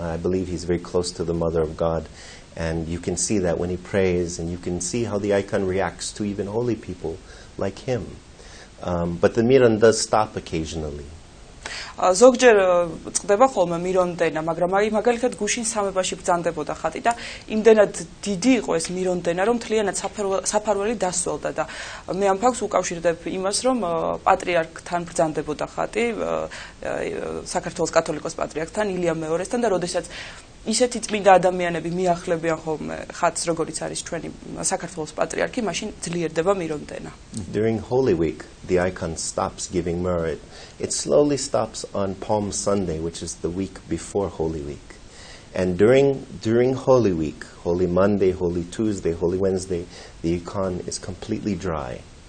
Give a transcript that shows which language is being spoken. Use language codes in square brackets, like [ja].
[en] I believe he's very close to the Mother of God, and you can see that when he prays, and you can see how the icon reacts to even holy people like him. But the miron does stop occasionally. [ka] ზოგჯერ წდება ხოლმე მირონდენა, მაგრამ აი მაგალითად გუშინ სამებაში ბრძანდებოდა ხატი და იმდენად დიდი იყო ეს მირონდენა, რომ მთლიანად საფარველი დასველდა და მე ამ ფაქტს უკავშირდებ იმას, რომ პატრიარქთან ბრძანდებოდა ხატი, საქართველოს კათოლიკოს პატრიარქთან, ილიამ მეორესთან, და როდესაც ისეთი წმინდა ადამიანები მიახლებიან ხოლმე ხატს, როგორიც არის ჩვენი საქართველოს პატრიარქი, მაშინ ძლიერდება მირონდენა. [en] During Holy Week, the icon stops giving merit. It slowly stops on Palm Sunday, which is the week before Holy Week. And during Holy Week, Holy Monday, Holy Tuesday, Holy Wednesday, the icon is completely dry.